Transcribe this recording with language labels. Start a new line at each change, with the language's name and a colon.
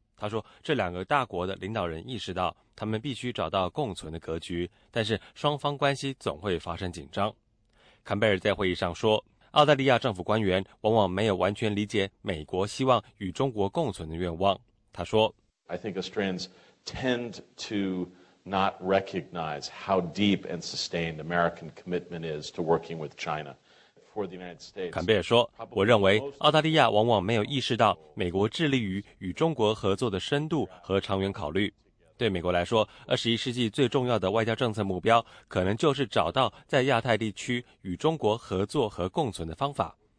Chinese: 他说，这两个大国的领导人意识到他们必须找到共存的格局，但是双方关系总会发生紧张。坎贝尔在会议上说，澳大利亚政府官员往往没有完全理解美国希望与中国共存的愿望。他说，
English: I think Australians tend to not recognize how deep and sustained American commitment is to working with China. For the United States,
Chinese: 坎贝尔说，我认为澳大利亚往往没有意识到美国致力于与中国合作的深度和长远考虑。对美国来说，21世纪最重要的外交政策目标可能就是找到在亚太地区与中国合作和共存的方法。